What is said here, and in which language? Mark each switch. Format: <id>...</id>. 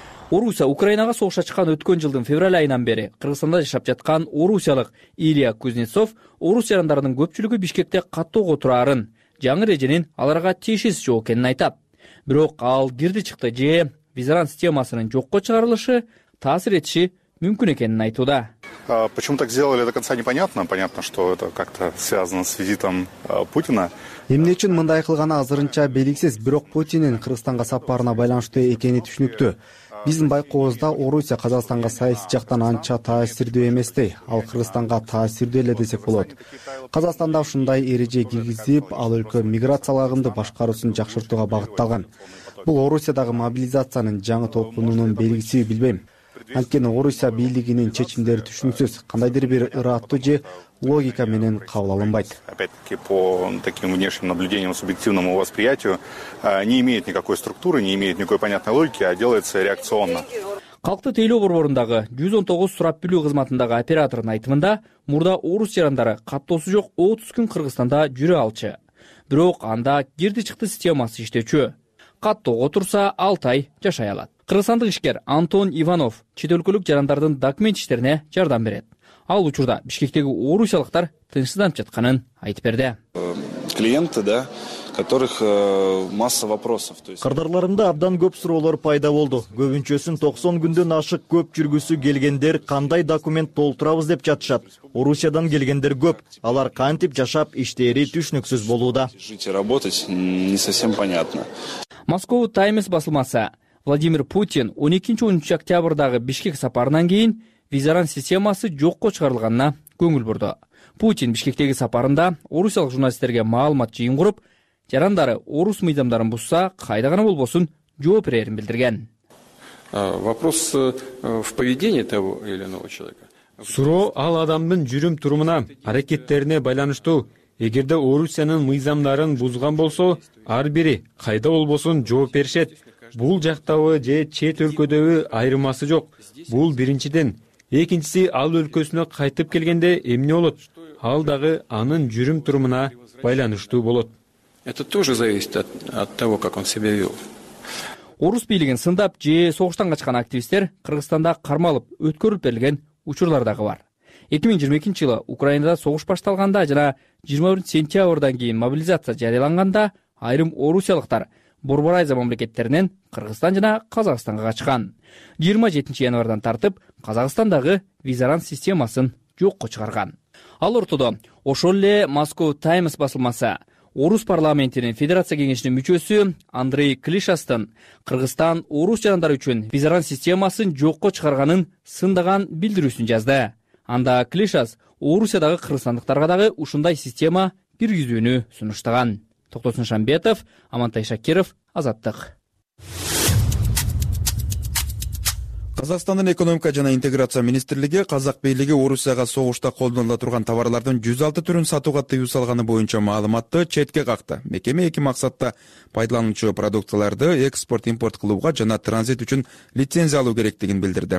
<ky>Орусия Украинага согуш ачкан өткөн жылдын февраль айынан бери Кыргызстанда жашап жаткан орусиялык Илья Кузнецов орус жарандарынын көпчүлүгү Бишкекте каттоого тураарын, жаңы эреженин аларга тиешеси жок экенин айтат. Бирок ал кирди чыкты же визаран системасынын жокко чыгарылышы таасир этиши мүмкүн экенин айтууда.</ky> <ru>Почему так сделали, до конца непонятно. Понятно, что это как-то связано с визитом Путина.</ru> <ky>Эмне үчүн мындай кылганы азырынча белгисиз, бирок Путиндин Кыргызстанга сапарына байланыштуу экени түшүнүктүү. Биздин байкообузда Орусия Казакстанга саясий жактан анча таасирдүү эместей, ал Кыргызстанга таасирдүү эле десек болот. Казакстанда ушундай эреже киргизип, ал өлкө миграциялык агымды башкаруусун жакшыртууга багытталган. Бул Орусиядагы мобилизациянын жаңы толкунунун белгиси, билбейм. Анткени Орусия бийлигинин чечимдери түшүнүксүз, кандайдыр бир ырааттуу же логика менен кабыл алынбайт.</ky> <ru>Опять-таки по таким внешним наблюдениям, субъективному восприятию, не имеет никакой структуры, не имеет никакой понятной логики, а делается реакционно.</ru> <ky>Калкты тейлөө борборундагы 119 сурап билүү кызматындагы оператордун айтымында, мурда орус жарандары каттоосу жок 30 күн Кыргызстанда жүрө алчы. Бирок анда кирди чыкты системасы иштечү. Каттоого турса 6 ай жашай алат. Кыргызстандык ишкер Антон Иванов чет өлкөлүк жарандардын документ иштерине жардам берет. Ал учурда Бишкектеги орусиялыктар тынчсызданып жатканын айтып берди.</ky> <ru>Клиенты, да, которых масса вопросов.</ru> <ky>Кырдарларымда абдан көп суроолор пайда болду. Көбүнчөсүн 90 күндөн ашык көп жүргүсү келгендер кандай документ толтурабыз деп жатышат. Орусиядан келгендер көп. Алар кантип жашап, иштери түшүнүксүз болууда.</ky> <ru>Жить и работать не совсем понятно.</ru> <ky>Москва Таймс басылмасы. Владимир Путин 12-13 октябрдагы Бишкек сапарынан кийин визаран системасы жокко чыгарылганына көңүл бурду. Путин Бишкектеги сапарында орусиялык журналисттерге маалымат жыйын куруп, жарандары орус мыйзамдарын бузса кайда гана болбосун жооп берерин билдирген.</ky> <ru>Вопрос в поведении того или иного человека.</ru> <ky>Суроо ал адамдын жүрүм турумуна, аракеттерине байланыштуу. Эгерде Орусиянын мыйзамдарын бузган болсо, ар бири кайда болбосун жооп беришет. Бул жактабы же чет өлкөдөбү айырмасы жок. Бул биринчиден. Экинчиси ал өлкөсүнө кайтып келгенде эмне болот? Ал дагы анын жүрүм турумуна байланыштуу болот.</ky> <ru>Это тоже зависит от того, как он себя вел.</ru> <ky>Орус бийлигин сындап же согуштан качкан активисттер Кыргызстанда кармалып өткөрүлүп берилген учурлар дагы бар. 2022 жылы Украинада согуш башталганда жана 21 сентябрдан кийин мобилизация жарыяланганда айрым орусиялыктар Борбор Азия мамлекеттеринен Кыргызстан жана Казакстанга качкан. 27 январдан тартып Казакстандагы визаран системасын жокко чыгарган. Ал ортодо ошол эле Москва Таймс басылмасы орус парламентинин федерация кеңешинин мүчөсү Андрей Клишастын Кыргызстан орус жарандары үчүн визаран системасын жокко чыгарганын сындаган билдирүүсүн жазды. Анда Клишас Орусиядагы кыргызстандыктарга дагы ушундай система киргизүүнү сунуштаган. Токтосун Шамбетов, Амантай Шакиров, Азаттык. Казакстандын экономика жана интеграция министрлиги казак бийлиги Орусияга согушта колдонула турган товарлардын 106 түрүн сатууга тыюу салганы боюнча маалыматты четке какты. Мекеме эки максатта пайдаланылуучу продукцияларды экспорт-импорт кылууга жана транзит үчүн лицензия алуу керектигин билдирди.</ky>